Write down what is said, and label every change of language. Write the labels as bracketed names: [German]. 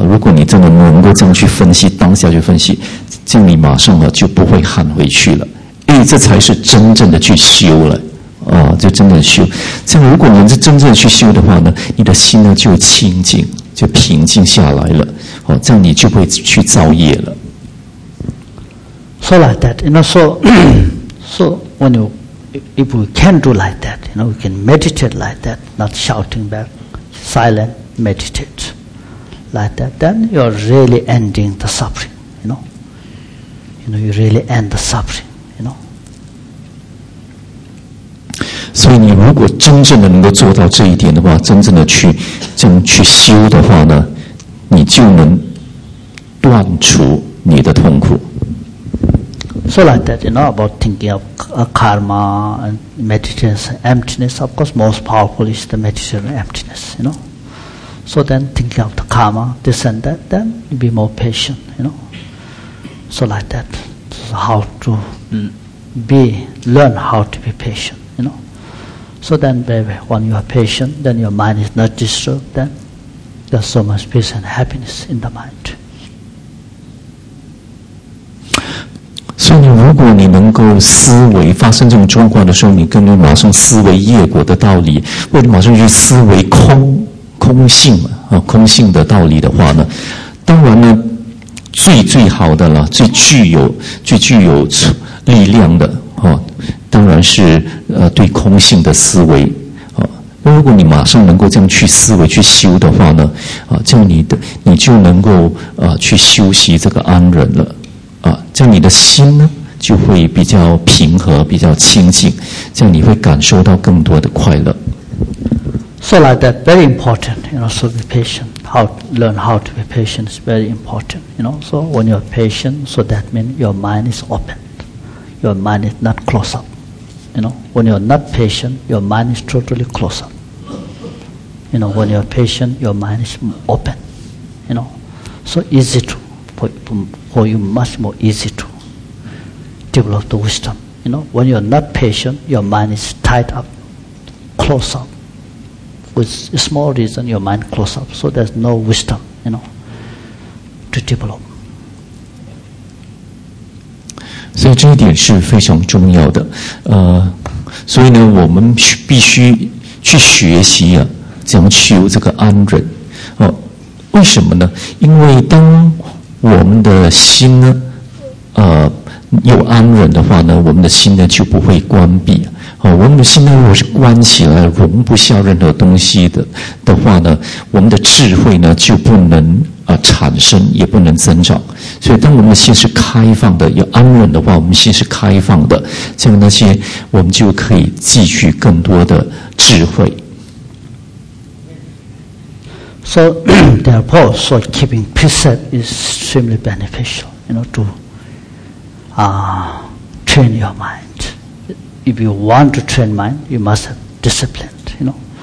[Chinese] 如果你真的能够这样去分析，当下去分析，这样你马上啊就不会喊回去了，哎，这才是真正的去修了，就真正修。这样，如果你是真正去修的话呢，你的心呢就清净，就平静下来了，这样你就会去造业了。 [English] So like that, you know, so when you, if we can do like that, you know, we can meditate like that, not shouting back, silent, meditate like that, then you're really ending the suffering, you know. You know, you really end the suffering. [Chinese] 所以你如果真正的能够做到这一点的话，真正的去这样去修的话呢，你就能断除你的痛苦。 [English] So like that, you know, about thinking of karma and meditation emptiness. Of course, most powerful is the meditation emptiness. You know, so then thinking of the karma, this and that, then you be more patient. You know, so like that, so how to learn how to be patient. You know. So then, baby, when you are patient, then your mind is not disturbed, then there's so much peace and happiness in the mind. So, if you can think about the situation, you can think about the meaning of the cause of the cause, you can think about the cause of the cause, then, the most best, the most powerful, the most power, [Chinese] 当然是对空性的思维啊。那如果你马上能够这样去思维去修的话呢，啊，这样你就能够去修习这个安忍了啊。这样你的心呢就会比较平和，比较清净，这样你会感受到更多的快乐。 [English] So like that, very important, you know, so be patient. How learn how to be patient is very important, you know. So when you are patient, so that means your mind is open. Your mind is not close up, you know. When you are not patient, your mind is totally close up. You know, when you are patient, your mind is open, you know. So easy to, for you much more easy to develop the wisdom, you know. When you are not patient, your mind is tied up, close up. With a small reason, your mind close up. So there's no wisdom, you know, to develop. [Chinese] 所以这一点是非常重要的，所以呢，我们必须去学习啊，怎样去有这个安忍，为什么呢？因为当我们的心呢，有安忍的话呢，我们的心呢就不会关闭，我们的心呢如果是关起来，容不下任何东西的话呢，我们的智慧呢就不能。产生也不能增长，所以当我们的心是开放的，要安稳的话，我们心是开放的，这样那些我们就可以汲取更多的智慧。 [English] So therefore, so keeping precept is extremely beneficial, you know, to train your mind. If you want to train mind, you must have discipline, you know.